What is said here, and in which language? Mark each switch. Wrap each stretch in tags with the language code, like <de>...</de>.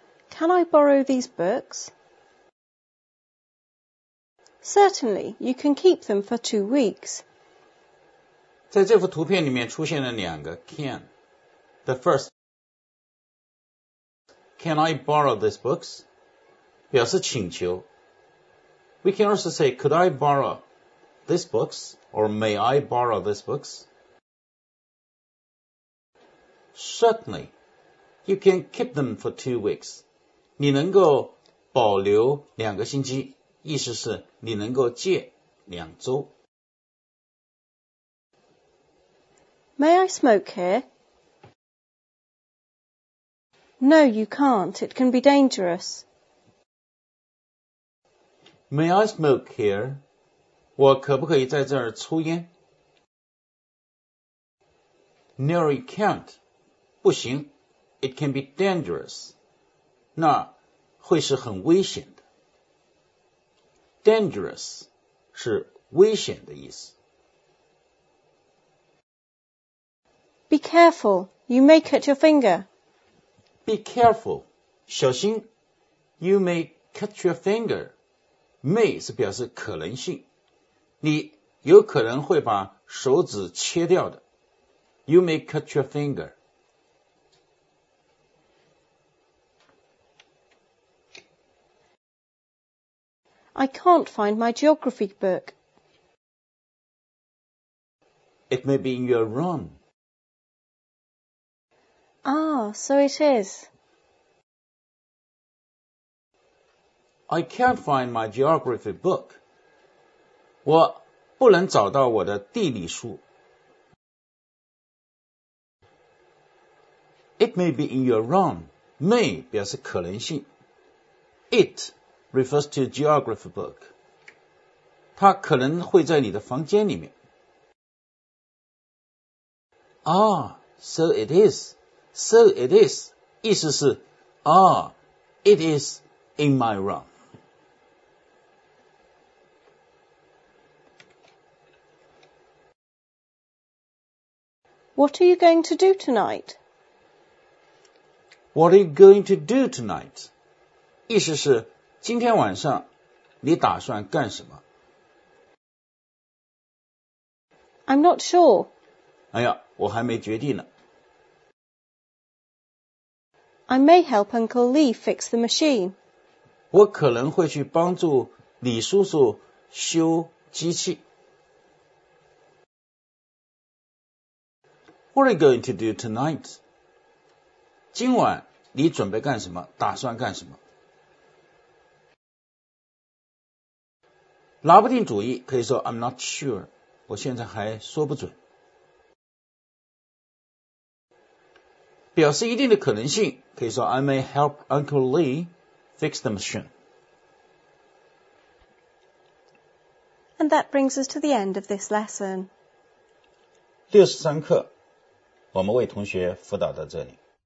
<en>Can I borrow these books? Certainly, you can keep them for 2 weeks.</en> <zh>在这幅图片里面出现了两个 can.</zh> <en>The first, can I borrow these books?</en> <zh>表示请求。</zh> <en>We can also say, could I borrow these books? Or may I borrow these books? Certainly, you can keep them for 2 weeks.</en> <zh>你能够保留两个星期，意思是你能够借两周。</zh> <en>May I smoke here? No, you can't. It can be dangerous. May I smoke here?</en> <zh>我可不可以在这儿抽烟?</zh> <en>No, you can't.</en> <zh>不行.</zh> <en>It can be dangerous.</en> <zh>那会是很危险的。 Dangerous 是危险的意思。</zh> <en>Be careful. You may cut your finger. Be careful,</en> <zh>小心</zh> <en>you may cut your finger.</en> <zh>May 是表示可能性。你有可能会把手指切掉的。</zh> <en>You may cut your finger. I can't find my geography book. It may be in your room. Ah, so it is. I can't find my geography book.</en> <zh>我不能找到我的地理书。</zh> <en>It may be in your room.</en> <zh>May 表示可能性。</zh> <en>It refers to geography book.</en> <zh>它可能会在你的房间里面。 Ah, so it is.</zh> <en>So it is, 意思是 Ah, it is in my room. What are you going to do tonight? What are you going to do tonight?</en> <zh>意思是今天晚上你打算干什么?</zh> <en>I'm not sure.</en> <zh>哎呀，我还没决定呢。</zh> <en>I may help Uncle Lee fix the machine.</en> <zh>我可能会去帮助李叔叔修机器。</zh> <en>What are you going to do tonight?</en> <zh>今晚你准备干什么？打算干什么？拿不定主意，可以说</zh> <en>I'm not sure.</en> <zh>我现在还说不准。表示一定的可能性，可以说</zh> <en>I may help Uncle Lee fix the machine. And that brings us to the end of this lesson.</en> <zh>63课，我们为同学辅导到这里。</zh>